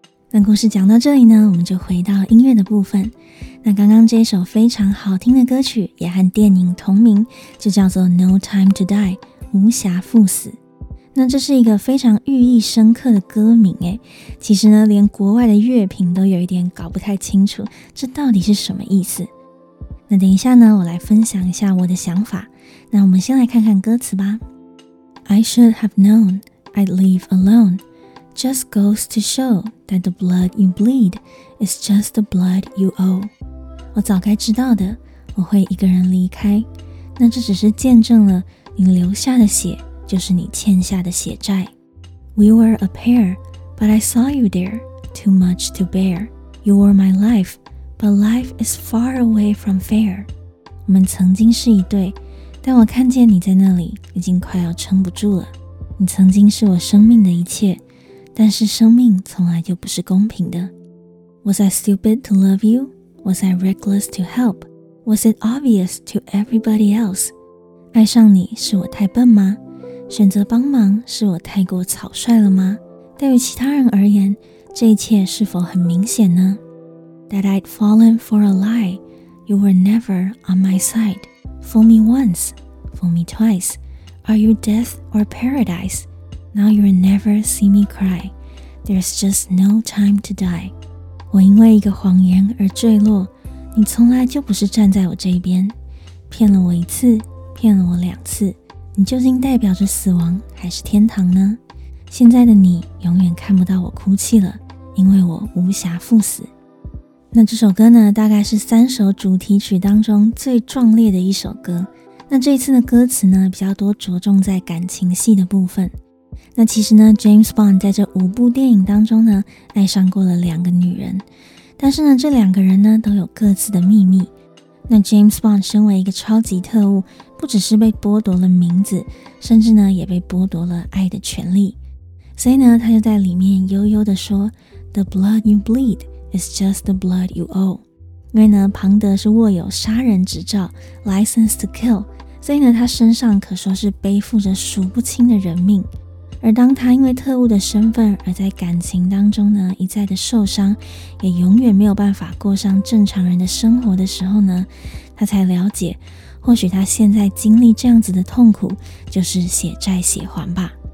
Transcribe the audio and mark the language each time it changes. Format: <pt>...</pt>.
<zh>那故事讲到这里呢我们就回到音乐的部分。那刚刚这首非常好听的歌曲也和电影同名，就叫做 No Time To Die 无暇赴死。那这是一个非常寓意深刻的歌名耶，其实呢连国外的乐评都有一点搞不太清楚这到底是什么意思。那等一下呢我来分享一下我的想法。那我们先来看看歌词吧。</zh> <en>I should have known I'd leave alone Just goes to show That the blood you bleed Is just the blood you owe 我早该知道的我会一个人离开，那这只是见证了你留下的血就是你欠下的血债。 We were a pair, but I saw you there, too much to bear. You were my life, but life is far away from fair.</en> <zh>我们曾经是一对，但我看见你在那里已经快要撑不住了。你曾经是我生命的一切，但是生命从来就不是公平的。</zh> <en>Was I stupid to love you? Was I reckless to help? Was it obvious to everybody else?</en> <zh>爱上你是我太笨吗？选择帮忙是我太过草率了吗？对于其他人而言，这一切是否很明显呢？</zh> <en>That I'd fallen for a lie, you were never on my side. Fool me once, fool me twice, are you death or paradise? Now you'll never see me cry, there's just no time to die.</en> <zh>我因为一个谎言而坠落，你从来就不是站在我这边。骗了我一次，骗了我两次，你究竟代表着死亡还是天堂呢？现在的你永远看不到我哭泣了，因为我无暇赴死。那这首歌呢，大概是三首主题曲当中最壮烈的一首歌。那这一次的歌词呢，比较多着重在感情戏的部分。那其实呢 ，James Bond 在这五部电影当中呢，爱上过了两个女人，但是呢，这两个人呢，都有各自的秘密。那 James Bond 身为一个超级特务，不只是被剥夺了名字，甚至呢，也被剥夺了爱的权利。所以呢，他就在里面悠悠地说 ： “The blood you bleed is just the blood you owe。” 因为呢，庞德是握有杀人执照 （license to kill）， 所以呢，他身上可说是背负着数不清的人命。而当他因为特务的身份而在感情当中呢一再的受伤，也永远没有办法过上正常人的生活的时候呢，他才了解，或许他现在经历这样子的痛苦，就是血债血还吧。</zh>